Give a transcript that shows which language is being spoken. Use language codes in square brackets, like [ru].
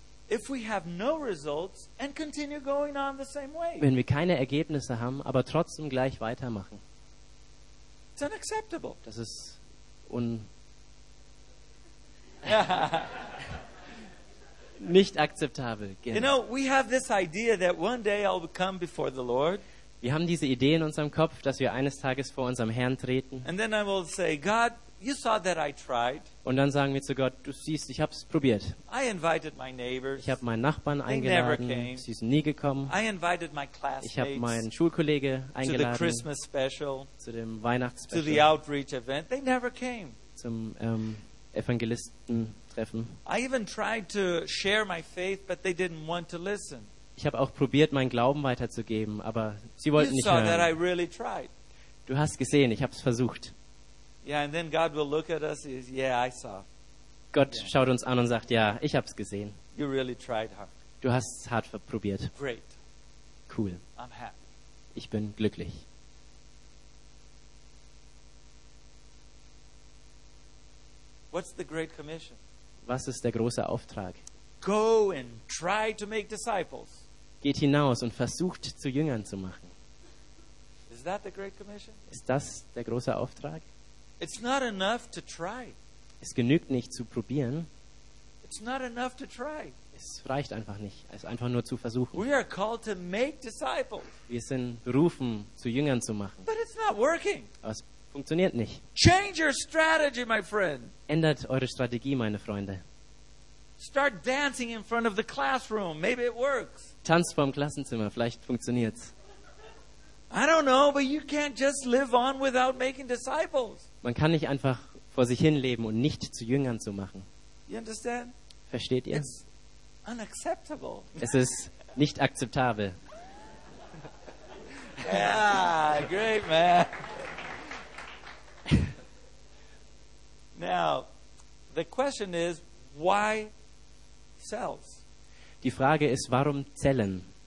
[en] if we have no results and continue going on the same way. [de] Wenn wir keine Ergebnisse haben, aber trotzdem gleich weitermachen. [en] It's unacceptable. [de] Das ist un nicht akzeptabel. Genau. [en] You know, we have this idea that one day I'll come before the Lord. [de] Wir haben diese Idee in unserem Kopf, dass wir eines Tages vor unserem Herrn treten. [en] And then I will say, God, you saw that I tried. [de] Und dann sagen wir zu Gott, du siehst, ich habe es probiert. [en] I invited my neighbors. [de] Ich habe meinen Nachbarn eingeladen. [en] They never came. [de] Sie sind nie gekommen. [en] I invited my classmates. [de] Ich habe meinen Schulkollege eingeladen. [en] To the Christmas special. [de] Zu dem Weihnachtsspecial. [en] To the outreach event. They never came. [de] Zum Evangelistentreffen. [en] I even tried to share my faith, but they didn't want to listen. [de] Ich habe auch probiert, meinen Glauben weiterzugeben, aber sie wollten [en] you [de] nicht hören. [en] You saw that I really tried. [de] Du hast gesehen, ich habe es versucht. [en] Yeah, and then God will look at us. Yeah, I saw. [de] Gott yeah. Schaut uns an und sagt, ja, ich hab's gesehen. [en] You really tried hard. [de] Du hast es hart probiert. [en] Great. Cool. I'm happy. [de] Ich bin glücklich. [en] What's the great commission? [de] Was ist der große Auftrag? [en] Go and try to make disciples. [de] Geht hinaus und versucht, zu Jüngern zu machen. [en] Is that the great commission? [de] Ist das der große Auftrag? [en] It's not enough to try. [de] Es genügt nicht, zu probieren. [en] It's not enough to try. [de] Es reicht einfach nicht, es einfach nur zu versuchen. [en] We are called to make disciples. [de] Wir sind berufen, zu Jüngern zu machen. [en] But it's not working. [de] Aber es funktioniert nicht. [en] Change your strategy, my friend. [de] Ändert eure Strategie, meine Freunde. [en] Start dancing in front of the classroom. Maybe it works. [de] Tanzt vorm Klassenzimmer, vielleicht funktioniert's. [en] I don't know, but you can't just live on without making disciples. [de] Man kann nicht einfach vor sich hin leben und nicht zu Jüngern zu machen. [en] You understand? [de] Versteht ihr? [en] It's unacceptable. [de] Es ist nicht akzeptabel. [en] Yeah, great man. Now, the question is, why cells? [de] Die Frage ist, warum Zellen?